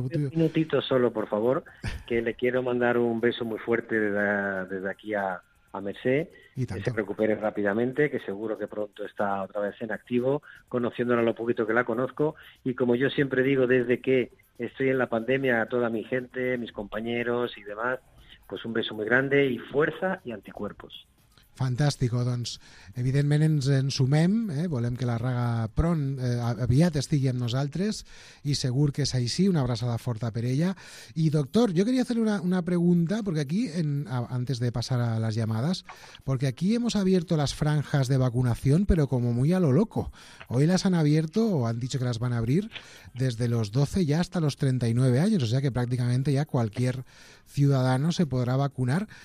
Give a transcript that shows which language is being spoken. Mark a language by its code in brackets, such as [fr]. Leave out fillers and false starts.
[es] Un minutito solo, por favor, que le quiero mandar un beso muy fuerte desde aquí a Mercé. Y tanto. Que se recupere rápidamente, que seguro que pronto está otra vez en activo, conociéndola lo poquito que la conozco. Y como yo siempre digo, desde que estoy en la pandemia, a toda mi gente, mis compañeros y demás, pues un beso muy grande y fuerza y anticuerpos. [ca] Fantàstic, doncs evidentment ens sumem, volem que la Raga pront, aviat estigui amb nosaltres i segur que és així, una abraçada forta per ella. I doctor, jo [es] quería hacerle una pregunta, porque aquí, antes de pasar a las llamadas, porque aquí hemos abierto las franjas de vacunación, pero como muy a lo loco. Hoy las han abierto, o han dicho que las van a abrir, desde los 12 ya hasta los 39 años, o sea que prácticamente ya cualquier ciudadano se podrá vacunar.